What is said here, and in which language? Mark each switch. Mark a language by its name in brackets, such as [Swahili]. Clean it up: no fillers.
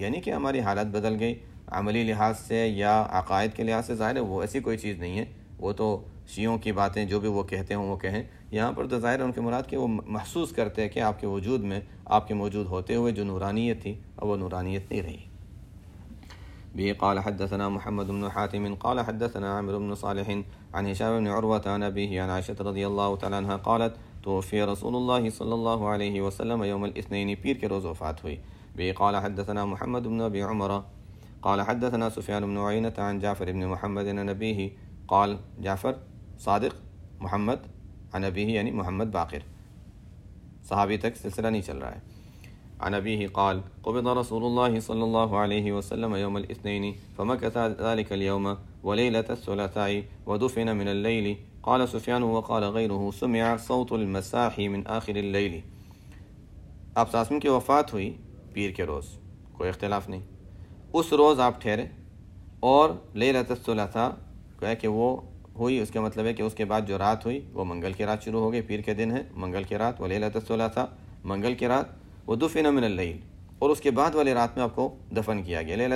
[Urdu] یعنی کہ ہماری حالت بدل گئی عملی لحاظ سے یا عقائد کے لحاظ سے, ظاہر ہے وہ ایسی کوئی چیز نہیں ہے, وہ تو شیعوں کی باتیں جو بھی وہ کہتے ہوں وہ کہیں, یہاں پر تو ظاہر ہے ان کے مراد کہ وہ محسوس کرتے ہیں کہ آپ کے وجود میں, آپ کے موجود ہوتے ہوئے جو نورانیت تھی اب وہ نورانیت نہیں رہی. [Arabic] بھی قال حدثنا محمد بن حاتم قال حدثنا عامر بن صالح عن هشام بن عروة عن أبيه عن عائشة رضي الله تعالى عنها قالت توفي رسول الله صلى الله عليه وسلم يوم الاثنين [Urdu] پیر کے روز وفات ہوئی. [Arabic] بھی قال حدثنا محمد بن أبي عمر قال حدثنا سفيان بن عينة عن جعفر بن محمد عن أبيه قال جعفر صادق محمد عن أبيه يعني محمد باقر صحابي [Urdu] تک سلسلہ نہیں چل رہا ہے. [Arabic] عن أبيه قال قبض رسول الله صلى الله عليه وسلم يوم الاثنين فمكث ذلك اليوم وليلة الثلاثاء ودفن من الليل. قال سفيان وقال غيره سمع صوت المساحي من آخر الليل. [Urdu] آپ صلی اللہ علیہ وسلم کی وفات ہوئی پیر کے روز, کوئی اختلاف نہیں, اس روز آپ ٹھہرے اور لیلۃ الثلاثاء کہہ کہ وہ ہوئی, اس کا مطلب ہے کہ اس کے بعد جو رات ہوئی وہ منگل کی رات شروع ہو گئی, پیر کے دن ہے منگل کی رات, وہ لیلۃ الثلاثاء منگل کی رات, وہ [Arabic] دفن من الليل [Urdu] اور اس کے بعد والی رات میں آپ کو دفن کیا گیا.